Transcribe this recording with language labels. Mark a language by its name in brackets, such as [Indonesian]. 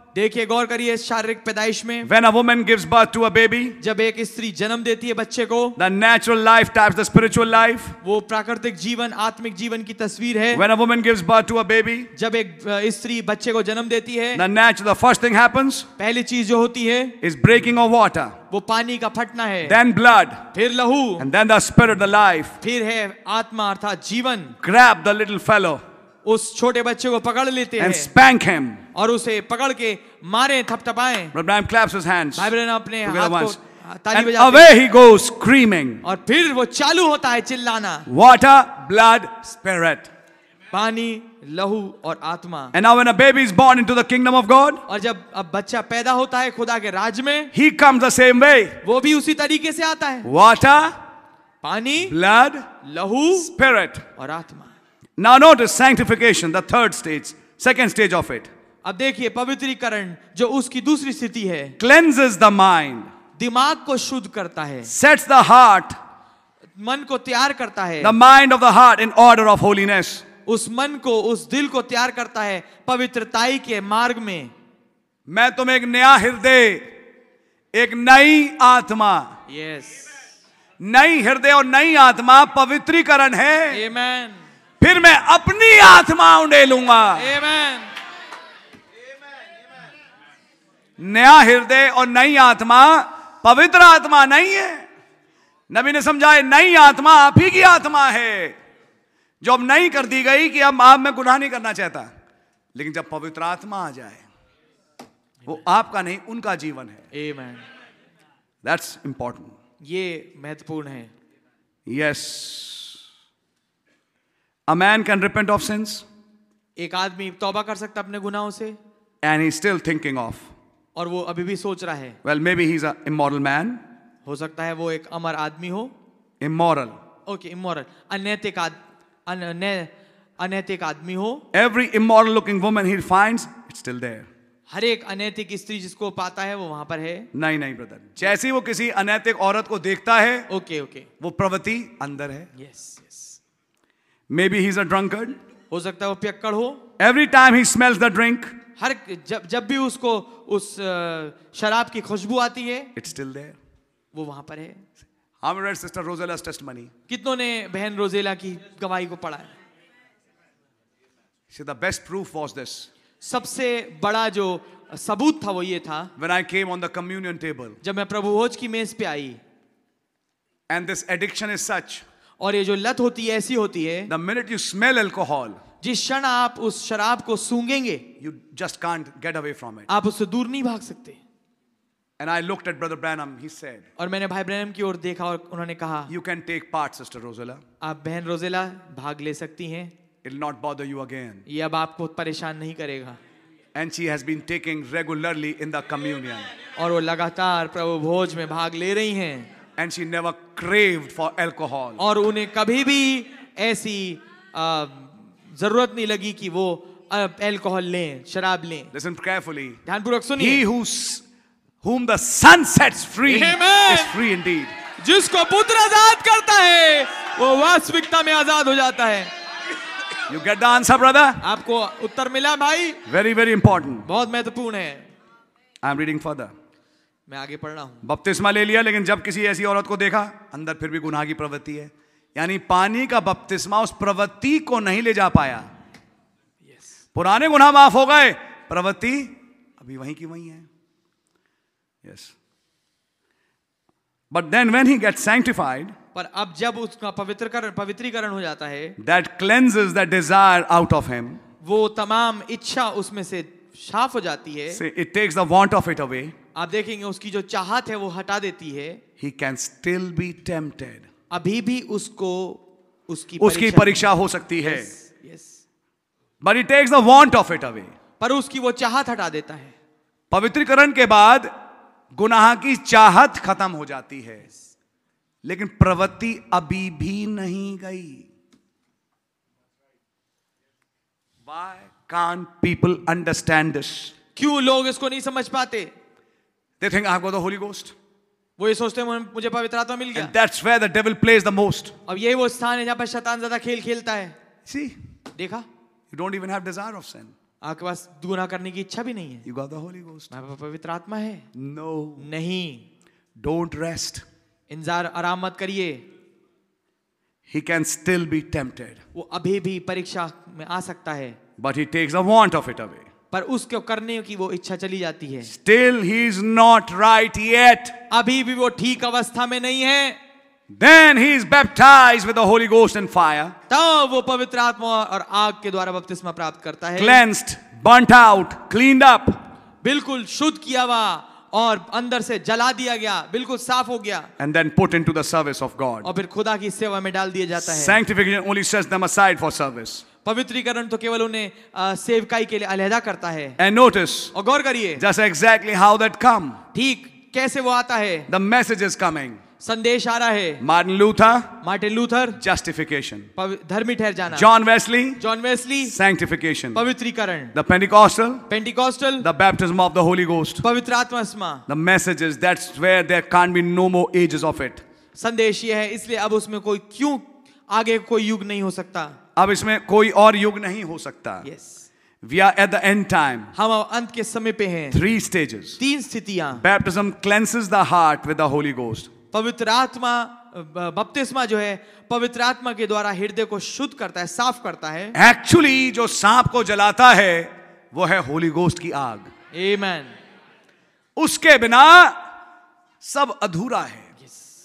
[Hindi] देखिए गौर करिए शारीरिक पैदाइश में. [English] When a woman gives birth to a baby. [Hindi] जब एक स्त्री जन्म देती है बच्चे को. [English] The natural life types the spiritual life. [Hindi] वो प्राकृतिक जीवन आत्मिक जीवन की तस्वीर है. [English] When a woman gives birth to a baby. [Hindi] जब एक स्त्री बच्चे को जन्म देती है. [English] The first thing happens. [Hindi] पहली चीज जो होती है. [English] Is breaking of water. [Hindi] वो पानी का फटना है. [English] Then blood. [Hindi] फिर लहू. [English] And then the spirit, the life. [Hindi] फिर है आत्मा अर्थात जीवन. [English] Grab the little fellow. [Hindi] उस छोटे बच्चे को पकड़ लेते हैं. [English] And spank him. [Hindi] और उसे पकड़ के मारे थपथपाएं. [English] Abraham claps his hands. [Hindi] भाई बहन अपने हाथ को ताली बजाते. [English] And away he goes screaming. [Hindi] और फिर वो चालू होता है चिल्लाना. [English] Water, blood, spirit. [Hindi] पानी, लहू और आत्मा. [English] And now when a baby is born into the kingdom of God. [Hindi] और जब अब बच्चा पैदा होता है खुदा के राज में. [English] He comes the same way. [Hindi] वो भी उसी तरीके से आता है. [English] Water, [Hindi] पानी, [English] blood, [Hindi] लहू, [English] spirit [Hindi] और आत्मा. [English] Now notice sanctification, the third stage, second stage of it. [Hindi] अब देखिए पवित्रीकरण जो उसकी दूसरी स्थिति है. [English] Cleanses the mind. [Hindi] दिमाग को शुद्ध करता है. [English] Sets the heart. [Hindi] मन को तैयार करता है. [English] The mind of the heart in order of holiness. [Hindi] उस मन को उस दिल को तैयार करता है पवित्रताई के मार्ग में. मैं तुम्हें एक नया हृदय, एक नई आत्मा. [English] Yes. [Hindi] नई हृदय और नई आत्मा पवित्रीकरण है. [English] Amen. [Hindi] फिर मैं अपनी आत्मा उंडे लूंगा. [English] Amen. [Hindi] नया हृदय और नई आत्मा पवित्र आत्मा नहीं है. नबी ने समझाए नई आत्मा आप ही की आत्मा है जो अब नई कर दी गई कि अब आप में गुनाह नहीं करना चाहता. लेकिन जब पवित्र आत्मा आ जाए वो आपका नहीं उनका जीवन है. [English] Amen. That's important. [Hindi] ये महत्वपूर्ण है. [English] Yes. A man can repent of sins. [Hindi] एक आदमी तौबा कर सकता अपने गुनाहों से. [English] And he's still thinking of. [Hindi] और वो अभी भी सोच रहा है. [English] Well, maybe he's an immoral man. [Hindi] हो सकता है वो एक अमर आदमी हो. [English] Immoral. Okay, immoral. [Hindi] अनैतिक अनैतिक आदमी हो. [English] Every immoral-looking woman he finds, it's still there. [Hindi] हर एक अनैतिक स्त्री जिसको पाता है वो वहाँ पर है. नहीं नहीं ब्रदर. जैसे ही वो किसी अनैतिक औरत को देखता है. [English] Okay, okay. [Hindi] वो प्रवृत्ति अंदर है. [English] Yes, yes. Maybe he's a drunkard. [Hindi] हो सकता है वो पियक्कड़ हो. [English] Every time he smells the drink. [Hindi] हर जब भी उसको उस शराब की खुशबू आती है. [English] It's still there. [Hindi] वो वहाँ पर है. [English] How many read sister Rosella's testimony? [Hindi] कितनों ने बहन रोजेला की गवाही को पढ़ा है? [English] See, the best proof was this. [Hindi] सबसे बड़ा जो सबूत था वो ये था. [English] When I came on the communion table. [Hindi] जब मैं प्रभु भोज की मेज पे आई. [English] And this addiction is such. [Hindi] और ये जो लत होती है ऐसी होती है. [English] The minute you smell alcohol. [Hindi] जिस क्षण आप उस शराब को सूंघेंगे. [English] You just can't get away from it. [Hindi] आप उससे दूर नहीं भाग सकते. [English] And I looked at Brother Branham. He said. [Hindi] और मैंने भाई ब्रैनम की ओर देखा और उन्होंने कहा. [English] You can take part, Sister Rosella. [Hindi] आप बहन रोजेला भाग ले सकती हैं. [English] It'll not bother you again. [Hindi] ये अब आपको परेशान नहीं करेगा. [English] And she has been taking regularly in the communion. [Hindi] और वो लगातार प्रभु भोज में भाग ले रही हैं. [English] And she never craved for alcohol. [Hindi] और उन्हें कभी भी ऐसी जरूरत नहीं लगी कि वो अल्कोहल लें, शराब लें. [English] Listen carefully. [Hindi] ध्यानपूर्वक सुनिए. [English] He whom the sun sets free. Amen. Is free indeed. [Hindi] जिसको पुत्र आजाद करता है, वो वास्तविकता में आजाद हो जाता है. [English] You get the answer, brother? [Hindi] आपको उत्तर मिला भाई? [English] Very, very important. [Hindi] बहुत महत्वपूर्ण है. [English] I am reading further. [Hindi] मैं आगे पढ़ रहा हूँ. बपतिस्मा ले लिया, लेकिन जब किसी ऐसी औरत को देखा, अंदर फिर भी गुनाह की प्रवृत्ति है. यानी पानी का बपतिस्मा उस प्रवृत्ति को नहीं ले जा पाया. [English] Yes. [Hindi] पुराने गुनाह माफ हो गए, प्रवृत्ति अभी वहीं की वहीं है. [English] Yes. But then when he gets sanctified, [Hindi] पर अब जब उसका पवित्रीकरण हो जाता है, [English] that cleanses the desire out of him, [Hindi] वो तमाम इच्छा उसमें से साफ हो जाती है. [English] It takes the want of it away. [Hindi] आप देखेंगे उसकी जो चाहत है वो हटा देती है. [English] He can still be tempted. [Hindi] अभी भी उसको उसकी उसकी परीक्षा हो सकती है. [English] Yes but it takes the want of it away. [Hindi] पर उसकी वो चाहत हटा देता है. पवित्रीकरण के बाद गुनाह की चाहत खत्म हो जाती है. [English] yes. [Hindi] लेकिन प्रवृत्ति अभी भी नहीं गई. [English] Why can't people understand this? [Hindi] क्यों लोग इसको नहीं समझ पाते? [English] They think I've got the Holy Ghost. [Hindi] वो ये सोचते हैं मुझे पवित्र आत्मा मिल गया. [English] And that's where the devil plays the most. [Hindi] अब यही वो स्थान है जहाँ पर शैतान ज़्यादा खेल खेलता है. [English] See? [Hindi] देखा? [English] You don't even have desire of sin. [Hindi] आपके पास गुनाह करने की इच्छा भी नहीं है. [English] You got the Holy Ghost. [Hindi] मैं पवित्र आत्मा है. [English] No. [Hindi] नहीं. [English] Don't rest. [Hindi] इंतजार आराम मत करिए. [English] He can still be tempted. [Hindi] वो अभी भी परीक्षा में आ सकता है. [English] But he takes the want of it away. [Hindi] पर उसके करने की वो इच्छा चली जाती है. [English] Still he is not right yet. [Hindi] अभी भी वो ठीक अवस्था में नहीं है. [English] Then he is baptized with the Holy Ghost and fire. [Hindi] तब वो पवित्र आत्मा और आग के द्वारा बपतिस्मा प्राप्त करता है. [English] Cleansed, burnt out, cleaned up. [Hindi] बिल्कुल शुद्ध किया हुआ और अंदर से जला दिया गया, बिल्कुल साफ हो गया. [English] And then put into the service of God. [Hindi] और फिर खुदा की सेवा में डाल दिया जाता है. [English] Sanctification only sets them aside for service. [Hindi] पवित्रीकरण तो केवल उन्हें सेवकाई के लिए अलहदा करता है. [English] And notice. [Hindi] और गौर करिए. [English] Just exactly how that come. [Hindi] ठीक कैसे वो आता है? [English] The message is coming. [Hindi] संदेश आ रहा है. [English] Martin Luther justification [Hindi] धर्मी ठहर जाना. [English] John Wesley sanctification [Hindi] पवित्रीकरण. [English] the Pentecostal [Hindi] Pentecostal [English] the baptism of the Holy Ghost [Hindi] पवित्र आत्मा. [English] The messages that's where there can't be no more ages of it. [Hindi] संदेश यह है इसलिए अब उसमें कोई क्यों आगे कोई युग नहीं हो सकता. अब इसमें कोई और युग नहीं हो सकता. [English] yes. We are at the end time. [Hindi] हम अंत के समय पे हैं. [English] Three stages. [Hindi] तीन स्थितियां. [English] Baptism cleanses the heart with the Holy Ghost. [Hindi] पवित्र आत्मा बपतिस्मा जो है पवित्र आत्मा के द्वारा हृदय को शुद्ध करता है, साफ करता है. एक्चुअली जो सांप को जलाता है वो है होली गोस्ट की आग. [English] Amen. [Hindi] उसके बिना सब अधूरा है. [English] yes.